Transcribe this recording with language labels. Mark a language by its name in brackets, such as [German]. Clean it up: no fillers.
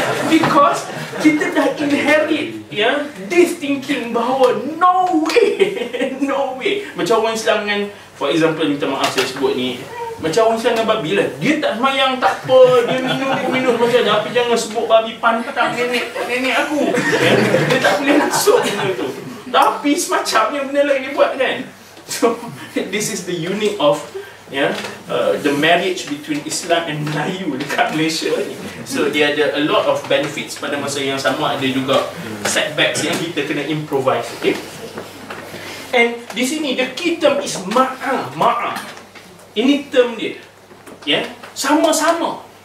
[English] Because [Malay] kita dah [English] inherit this thinking [Malay] bahawa [English] no way, no way. [Malay] Macam orang Islam dengan, [English] for example, [Malay] minta maaf saya sebut ni, macam orang Islam dengan babi lah. Dia tak semayang, tak apa, dia minum macam ni. Tapi jangan sebut babi pantang nenek aku. Dia tak boleh masuk benda tu. Tapi semacamnya benda lain dia buat kan. [English] So, this is the unit of the marriage between Islam and Melayu [Malay] dekat Malaysia ni. [English] So [Malay] dia ada [English] a lot of benefits, [Malay] pada masa yang sama ada juga [English] setbacks [Malay] yang kita kena [English] improvise, okay? And [Malay] di sini [English] the key term is ma'a. [Malay] Ini term dia. Sama-sama.